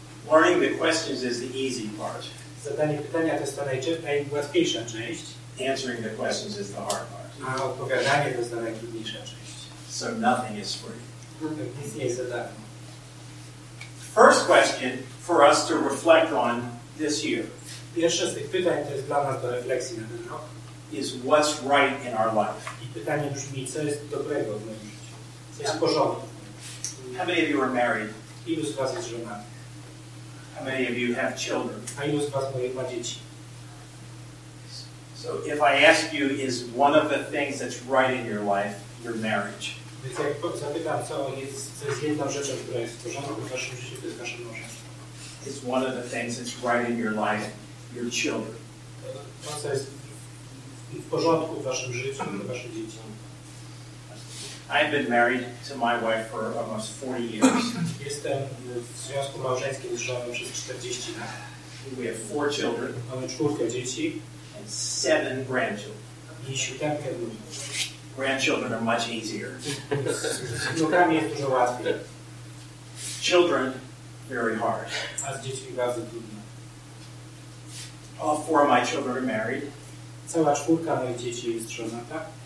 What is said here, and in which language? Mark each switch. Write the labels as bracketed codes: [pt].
[en] Learning the questions is the easy part. [pl] Zadanie pytania to jest ta najłatwiejsza część. [en] Answering the questions is the hard part. [pl] A odpowiadanie to jest ta najtrudniejsza część. [en] So nothing is free. [pl] Nic nie jest za darmo. [en] First question for us to reflect on this year. [pl] Pierwsze z tych pytań to jest dla nas do refleksji na ten rok. [en] Is what's right in our life. [pl] I pytanie brzmi, co jest dobrego w moim życiu? Co jest w porządku? [en] How many of you are married? [pl] Ilu z was jest żonami? [en] How many of you have children? [pl] A ilu z was ma dzieci? [en] So if I ask you, is one of the things that's right in your life your marriage? [pl] Więc jak zapytam, co jest jedną rzeczą, która jest w porządku w waszym życiu, to jest wasze małżeństwo. [en] It's one of the things that's right in your life your children. [pl] To, co jest w porządku w waszym życiu, to wasze dzieci. [en] I've been married to my wife for almost 40 years. [pl] Jestem w związku małżeńskim z żoną przez 40 lat. [en] We have four children. [pl] Mamy czwórkę dzieci. [en] And seven grandchildren. [pl] I siódemkę wnuków. [en] Grandchildren are much easier. [pl] Wnukami jest dużo łatwiej. [en] Children, very hard. [pl] A z dziećmi bardzo trudno. [en] All four of my children are married. [pl] Cała czwórka moich dzieci jest żonata.